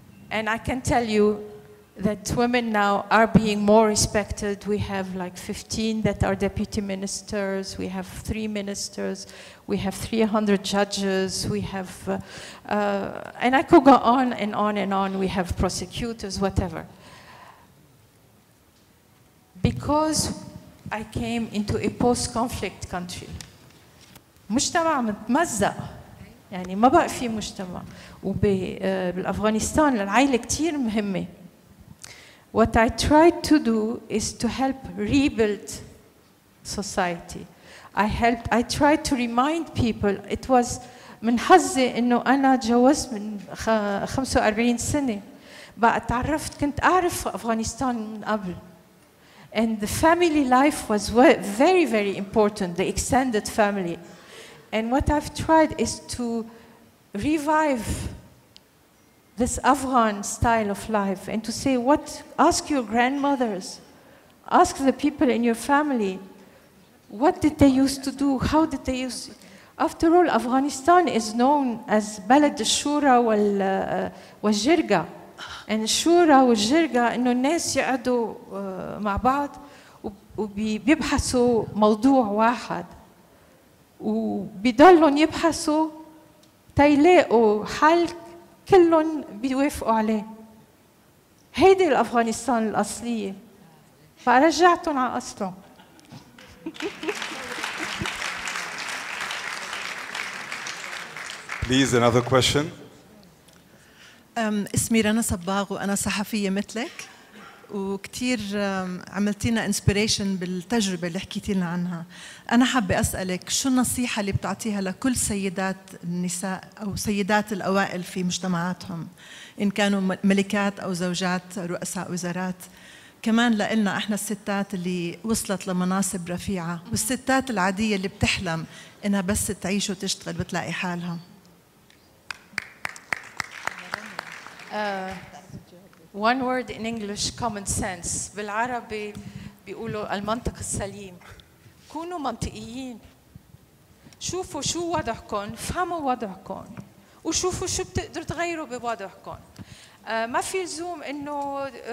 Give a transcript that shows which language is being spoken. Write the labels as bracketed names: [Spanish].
[English] And I can tell you that women now are being more respected. We have like 15 that are deputy ministers, we have 3 ministers, we have 300 judges, we have, and I could go on and on and on, we have prosecutors, whatever. Because I came into a post-conflict country, [Arabic] مجتمع متمزق يعني ما بقى في مجتمع وبالأفغانستان العائلة كتير مهمة. [English] What I tried to do is to help rebuild society. I tried to remind people. It was [Arabic] من حظي إنه أنا جوزت من 45 سنة. بقى تعرفت كنت أعرف أفغانستان من قبل. [English] And the family life was very, very important, the extended family. And what I've tried is to revive this Afghan style of life and to say, what, ask your grandmothers, ask the people in your family, what did they used to do? How did they use? After all, Afghanistan is known as Balad Shura wal Jirga. [Arabic] And Shura wal Jirga, إنه الناس يقعدوا مع بعض وبيبحثوا موضوع واحد. وبيضلهم يبحثوا تيلاقوا حل كلهم بيوافقوا عليه. هيدي الأفغانستان الأصلية. فرجعتهم على أصلهم. [English] Please, another question. [Arabic] اسمي رنا صباغ وأنا صحفية مثلك. وكتير عملتينا inspiration بالتجربة اللي حكيتينا عنها. أنا حابة أسألك شو النصيحة اللي بتعطيها لكل سيدات النساء أو سيدات الأوائل في مجتمعاتهم إن كانوا ملكات أو زوجات رؤساء وزارات، كمان لإلنا إحنا الستات اللي وصلت لمناصب رفيعة والستات العادية اللي بتحلم إنها بس تعيش وتشتغل وتلاقي حالها. [English] One word in English, common sense. [Arabic] بالعربي بيقولوا المنطق السليم. كونوا منطقيين. شوفوا شو وضعكم، فهموا وضعكم. وشوفوا شو بتقدروا تغيروا بوضعكم. ما في لزوم إنه